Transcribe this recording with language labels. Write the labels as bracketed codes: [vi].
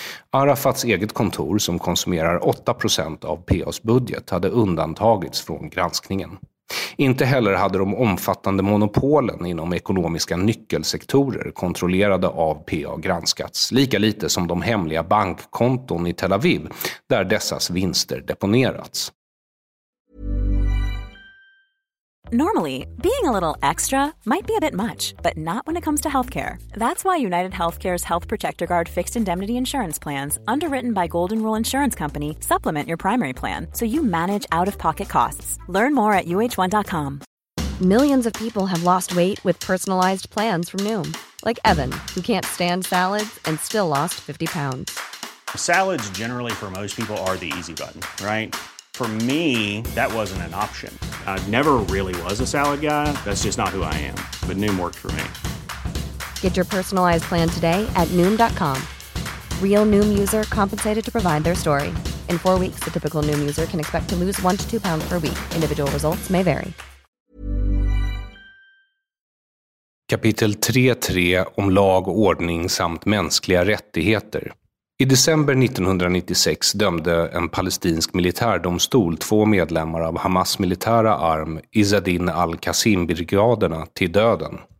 [sv] Arafats eget kontor, som konsumerar 8% av PAs budget, hade undantagits från granskningen. Inte heller hade de omfattande monopolen inom ekonomiska nyckelsektorer kontrollerade av PA granskats, lika lite som de hemliga bankkonton i Tel Aviv där dessas vinster deponerats. [en] Normally, being a little extra might be a bit much, but not when it comes to healthcare. That's why United Healthcare's Health Protector Guard fixed indemnity insurance plans, underwritten by Golden Rule Insurance Company, supplement your primary plan so you manage out-of-pocket costs. Learn more at uh1.com. Millions of people have lost weight with personalized plans from Noom, like Evan, who can't stand salads and still lost 50 pounds. Salads generally for most people are the easy button, right? For me, that wasn't an option. I never really was a salad guy. That's just not who I am. But Noom worked for me. Get your personalized plan today at Noom.com. Real Noom user compensated to provide their story. In 4 weeks, the typical Noom user can expect to lose 1 to 2 pounds per week. Individual results may vary. [sv] Kapitel 3.3 om lag, ordning samt mänskliga rättigheter. I december 1996 dömde en palestinsk militärdomstol två medlemmar av Hamas militära arm Izzeddin al-Qassim-brigaderna till döden.